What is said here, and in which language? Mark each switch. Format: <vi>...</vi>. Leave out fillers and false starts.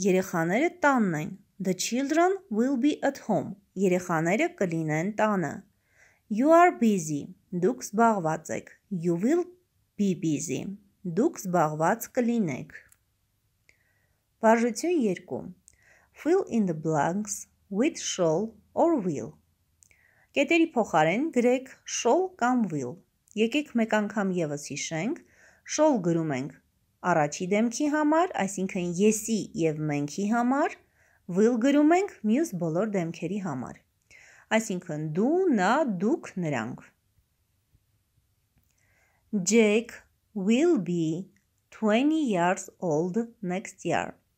<hy>Երեխաները տանն են։</hy> <en>The children will be at home.</en> <hy>Երեխաները կլինեն տանը։</hy> <en>You are busy.</en> <hy>Դուք զբաղված եք։</hy> <en>You will be busy.</en> <hy>Դուք զբաղված կլինեք։ Վարժություն 2.</hy> <en>Fill in the blanks with shall or will.</en> <hy>Կետերի փոխարեն գրեք shall կամ will։ Եկեք մեկ անգամ եւս հիշենք։ Shall գրում ենք առաջի դեմքի համար, այսինքն եսի եւ մենքի համար, Վիլ գրում ենք մյուս բոլոր դեմքերի համար։ Այսինքն դու, նա, դուք, նրանք։</hy> <en>Jake will be 20 years old next year.</en>